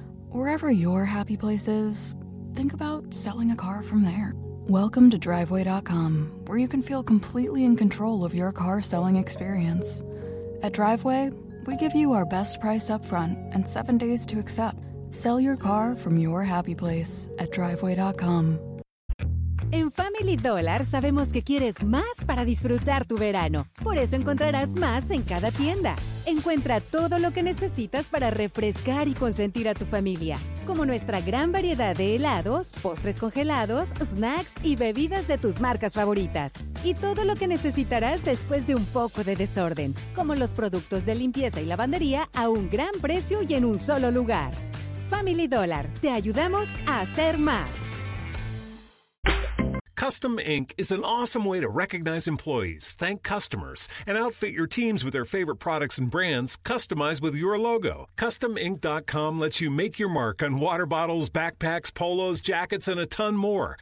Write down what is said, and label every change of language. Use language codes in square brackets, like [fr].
[en] Wherever your happy place is, think about selling a car from there. Welcome to Driveway.com, where you can feel completely in control of your car selling experience. At Driveway, we give you our best price up front and 7 days to accept. Sell your car from your happy place at Driveway.com. [es] En Family Dollar sabemos que quieres más para disfrutar tu verano. Por eso encontrarás más en cada tienda. Encuentra todo lo que necesitas para refrescar y consentir a tu familia. como nuestra gran variedad de helados, postres congelados, snacks y bebidas de tus marcas favoritas. Y todo lo que necesitarás después de un poco de desorden, como los productos de limpieza y lavandería a un gran precio y en un solo lugar. Family Dollar, te ayudamos a hacer más. [en] Custom Ink is an awesome way to recognize employees, thank customers, and outfit your teams with their favorite products and brands customized with your logo. CustomInk.com lets you make your mark on water bottles, backpacks, polos, jackets, and a ton more.